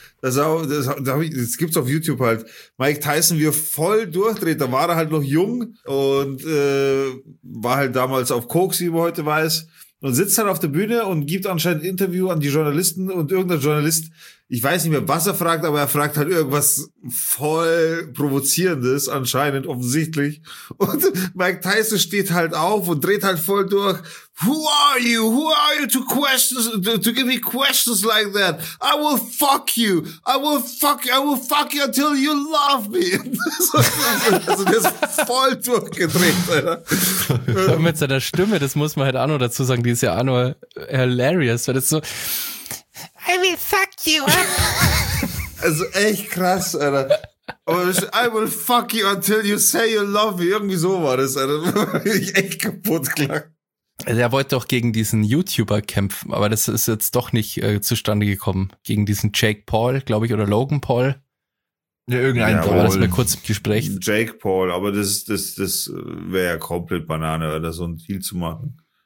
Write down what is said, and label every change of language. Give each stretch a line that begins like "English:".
German: Das gibt's auf YouTube halt. Mike Tyson, wie er voll durchdreht, da war er halt noch jung und war halt damals auf Koks, wie man heute weiß. Und sitzt halt auf der Bühne und gibt anscheinend ein Interview an die Journalisten und irgendein Journalist ich weiß nicht mehr, was er fragt, aber er fragt halt irgendwas voll Provozierendes anscheinend, offensichtlich. Und Mike Tyson steht halt auf und dreht halt voll durch.
English: Who are you to questions, to give me questions like that? I will fuck you. I will fuck you until you love me.
German: Also der ist voll durchgedreht, Alter. Und mit seiner Stimme, das muss man halt auch noch dazu sagen, die ist ja auch nur hilarious, weil das so...
English: I will fuck you
German: up. Also echt krass, Alter.
English: Aber I will fuck you until you say you love me.
German: Irgendwie so war das, Alter. Ich echt kaputt gelacht. Er wollte doch gegen diesen YouTuber kämpfen, aber das ist jetzt doch nicht zustande gekommen. Gegen diesen Jake Paul, glaube ich, oder Logan Paul. Ja, irgendein Paul. War das mal kurz im Gespräch. Jake Paul, aber das wäre ja komplett Banane, oder so ein Deal zu machen.